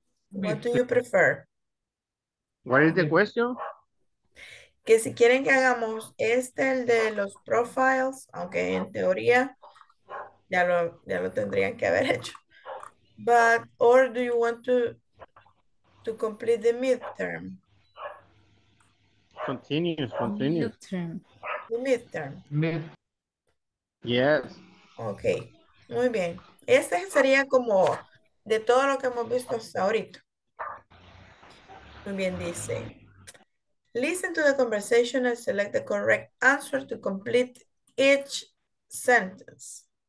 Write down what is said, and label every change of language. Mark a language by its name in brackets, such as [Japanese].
[English] What do you prefer? What is the question? [Spanish] Que si quieren que hagamos este, el de los profiles, aunque en teoría ya lo tendrían que haber hecho. [English] But, or do you want to complete the midterm? Continue. The midterm. Yes. [Spanish] Okay. Muy bien. Este sería como de todo lo que hemos visto hasta ahorita. Muy bien, dice. [English] Listen to the conversation and select the correct answer to complete each sentence.